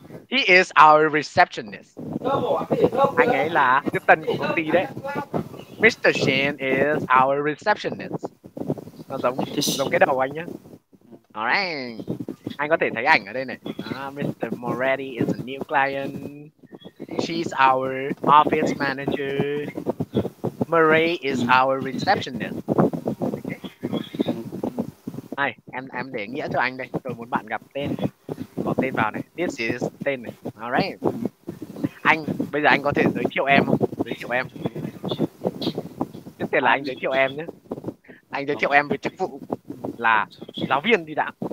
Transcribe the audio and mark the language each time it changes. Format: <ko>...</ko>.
<en>He is our receptionist.</en> <vi>Anh ấy là tiếp tân của công ty đấy. Mr.</vi> <en>Shane is our receptionist.</en> <vi>Nó giống cái đầu anh nhá.</vi> <en>Alright.</en> <vi>Anh có thể thấy ảnh ở đây này.</vi> <en>Mr. Moretti is a new client. She's our office manager. Marie is our receptionist.</en> <vi>Này, em để nghĩa cho anh đây. Tôi muốn bạn gặp tên. Bỏ tên vào này.</vi> <en>This is</en> <vi>tên này.</vi> <en>Alright.</en> <vi>Anh, bây giờ anh có thể giới thiệu em không? Giới thiệu em. Trước tiên là anh giới thiệu em nhé. Anh giới thiệu em với chức vụ là giáo viên đi đã.</vi>